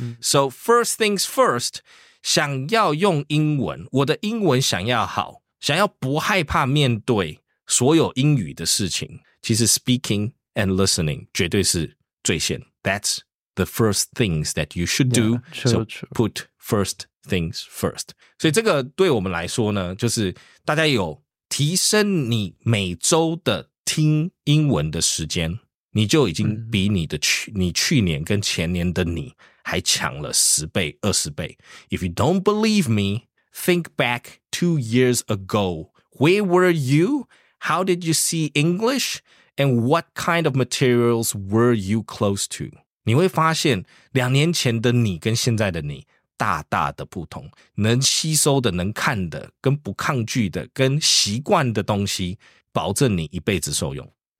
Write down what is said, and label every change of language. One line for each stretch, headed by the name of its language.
English: So first things first,
Chinese: 想要用英文，我的英文想要好，想要不害怕面对所有英语的事情，其实
English: speaking and listening
Chinese: 绝对是最先。
English: That's the first things that you should do. Yeah, true, true. So put first things first.
Chinese: 所以这个对我们来说呢，就是大家有提升你每周的听英文的时间，你就已经比你的你去年跟前年的你还强了10倍、20倍。
English: If you don't believe me,Think back 2 years ago. Where were you? How did you see English? And what kind of materials were you close to?
Chinese: 你会发现两年前的你跟现在的你大大的不同，能吸收的、能看的、跟不抗拒的、跟习惯的东西，保证你一辈子受用。